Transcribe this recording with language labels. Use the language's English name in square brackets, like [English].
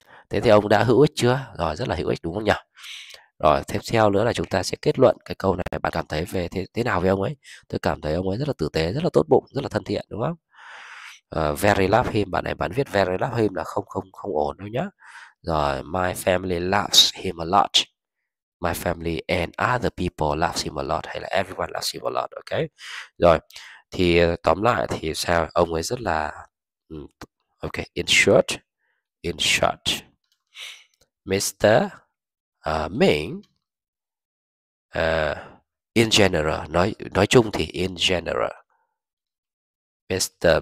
[Vietnamese] Thế thì ông đã hữu ích chưa? Rồi, rất là hữu ích đúng không nhỉ? Rồi, tiếp theo nữa là chúng ta sẽ kết luận cái câu này. Bạn cảm thấy về thế nào với ông ấy? Tôi cảm thấy ông ấy rất là tử tế, rất là tốt bụng, rất là thân thiện đúng không? [English] Very love him. [Vietnamese] Bạn này bạn viết [English] very love him [Vietnamese] là không không không ổn đâu nhá. [English] Rồi, my family loves him a lot. My family and other people loves him a lot. [Vietnamese] Hay là [English] everyone loves him a lot. [Vietnamese] Ok. Rồi. Thì tóm lại thì sao? Ông ấy rất là ok, in short Mr. [English] Ming, in general, [Vietnamese] nói chung thì [English] in general Mr.